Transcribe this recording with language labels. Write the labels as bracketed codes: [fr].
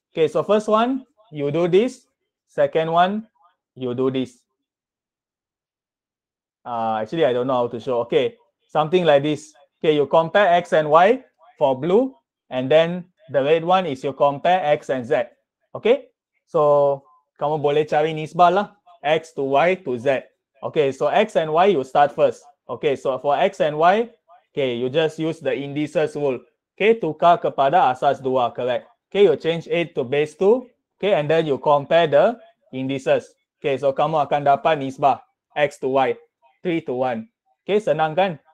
[en] Okay, so first one, you do this. Second one, you do this. Actually, I don't know how to show. Okay, something like this. Okay, you compare X and Y for blue. And then the red one is you compare X and Z. [ms] Okay, so kamu boleh cari nisbah lah. [en] X to Y to Z. Okay, so X and Y, you start first. Okay, so for X and Y, okay, you just use the indices rule. Okay, [ms] tukar kepada asas 2, [en] correct. Okay, you change 8 to base 2. Okay, and then you compare the indices. Okay, so [ms] kamu akan dapat nisbah [en] X to Y, 3 to 1. Okay, [ms] senang kan?